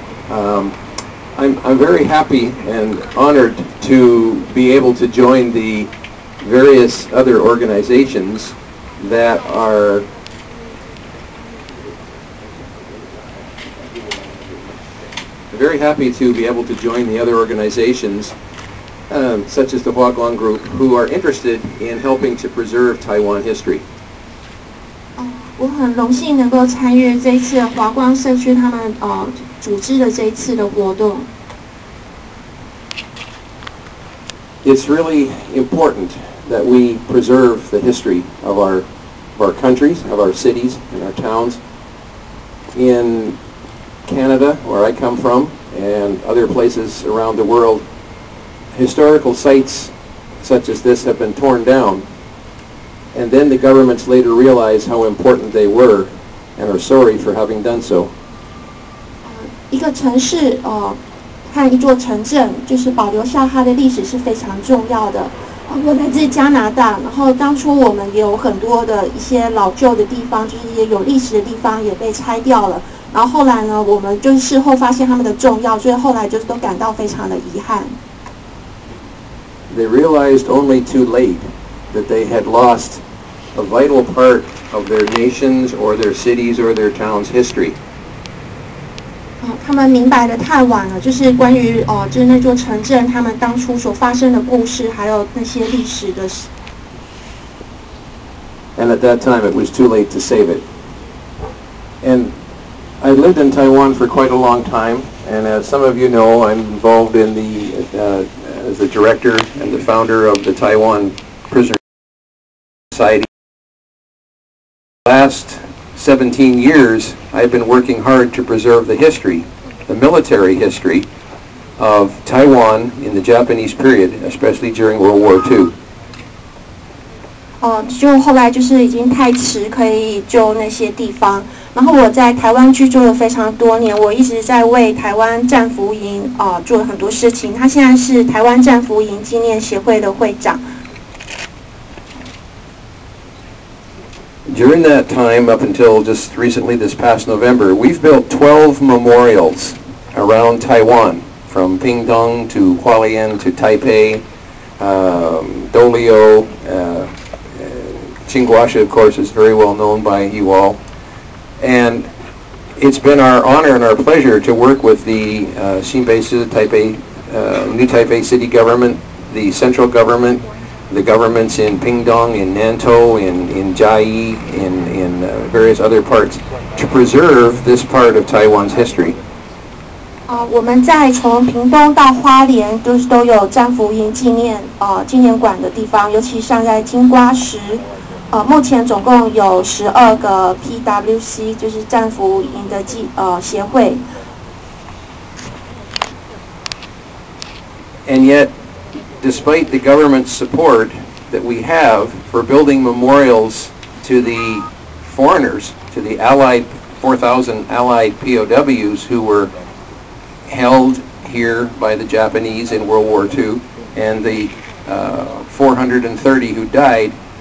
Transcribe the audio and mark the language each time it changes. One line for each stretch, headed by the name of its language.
English: I'm very happy and honored to be able to join the various other organizations that are. Very happy to be able to join the other organizations, such as the Hua Guang Group, who are interested in helping to preserve Taiwan history.
Chinese: 我很荣幸能够参与这一次华光社区他们组织的这一次的活动。
English: It's really important that we preserve the history of our countries, of our cities, and our towns. In Canada, where I come from. And other places around the world, historical sites such as this have been torn down, and then the governments later realize how important they were, and are sorry for having done so.
Chinese: 一个城市和一座城镇，就是保留下它的历史是非常重要的。我来自加拿大，然后当初我们也有很多的一些老旧的地方，就是也有历史的地方也被拆掉了。然后后来呢，我们就是事后发现他们的重要，所以后来就是都感到非常的遗憾。
English: They realized only too late that they had lost a vital part of their nation's or their cities or their town's history.
Chinese: 他们明白的太晚了，就是关于就是那座城镇他们当初所发生的故事，还有那些历史的。
English: And at that time, it was too late to save it. And I lived in Taiwan for quite a long time, and as some of you know, I'm involved in the, as the director and the founder of the Taiwan Prisoner Society. The last 17 years, I've been working hard to preserve the history, the military history, of Taiwan in the Japanese period, especially during World War II.
Chinese: 就后来就是已经太迟可以救那些地方，然后我在台湾居住了非常多年，我一直在为台湾战俘营做了很多事情。他现在是台湾战俘营纪念协会的会长。
English: During that time up until just recently this past November, we've built 12 memorials around Taiwan, from Pingtung to Hualien to Taipei, Doleo, Tsinghuashi, of course, is very well known by you all. And it's been our honor and our pleasure to work with the Xinbei City, Taipei, New Taipei City government, the central government, the governments in Pingtung, in Nantou, in Jiayi, in various other parts, to preserve this part of Taiwan's history.
Chinese: 我们在从屏东到花莲都有战俘营纪念馆的地方，尤其像在金瓜石。目前总共有12个 PWC， 就是战俘营的协会。
English: And yet, despite the government support that we have for building memorials to the foreigners, to the allied 4,000 allied POWs who were held here by the Japanese in World War II, and the 430 who died,